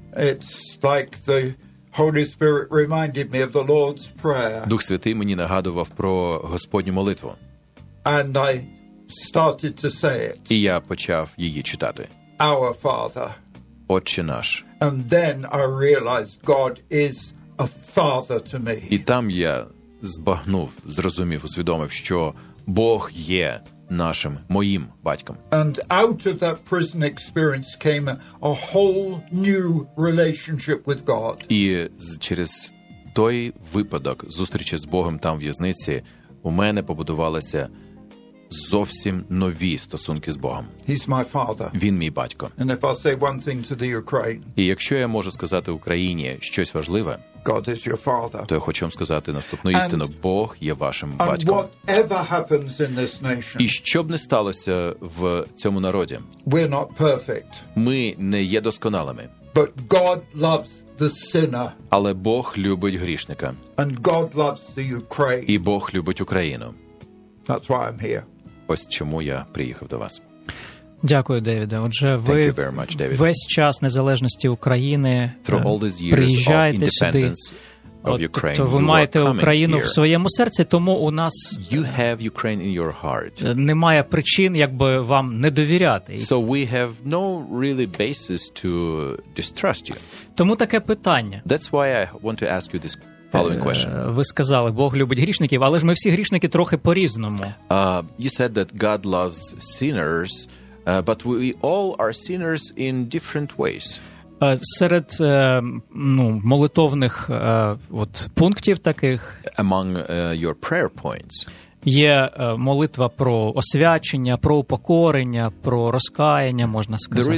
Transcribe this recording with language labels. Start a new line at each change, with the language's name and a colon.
English: It's like the Holy Spirit reminded me of the Lord's Prayer.
Ukrainian: Дух Святий мені нагадував про Господню молитву.
English: And I started to say it.
Ukrainian: І я почав її читати.
English: Our Father.
Ukrainian: Отче наш.
English: And then I realized God is a father to me.
Ukrainian: І там я збагнув, зрозумів, усвідомив, що Бог є нашим, моїм батьком.
English: And out of that prison experience came a whole new relationship with God.
Ukrainian: І через той випадок зустрічі з Богом там в в'язниці у мене побудувалися зовсім нові стосунки з Богом.
English: He's my father.
Ukrainian: Він мій батько.
English: And if I say one thing to the Ukraine,
Ukrainian: і якщо я можу сказати Україні щось важливе,
English: God is your father.
Ukrainian: То я хочу вам сказати наступну істину.
English: And,
Ukrainian: Бог є вашим
English: and
Ukrainian: батьком.
English: Whatever happens in this nation,
Ukrainian: і що б не сталося в цьому народі,
English: we're not perfect.
Ukrainian: Ми не є досконалими.
English: But God loves the sinner.
Ukrainian: Але Бог любить грішника.
English: And God loves the Ukraine.
Ukrainian: І Бог любить Україну.
English: That's why I'm here.
Ukrainian: Ось чому я приїхав до вас. Дякую, Девіде. Отже, ви
English: much,
Ukrainian: весь час незалежності України приїжджаєте сюди. Тобто ви маєте Україну в своєму серці, тому у нас
English: you have Ukraine in your heart.
Ukrainian: Немає причин, якби вам не довіряти.
English: So we have no really basis to distrust you.
Ukrainian: Тому таке питання.
English: That's why I want to ask you this following question.
Ukrainian: Ви сказали, Бог любить грішників, але ж ми всі грішники трохи по-різному.
English: You said that God loves sinners, but we all are sinners in different ways.
Ukrainian: Серед молитовних от пунктів таких
English: among your prayer points
Ukrainian: є молитва про освячення, про упокорення, про розкаяння, можна сказати.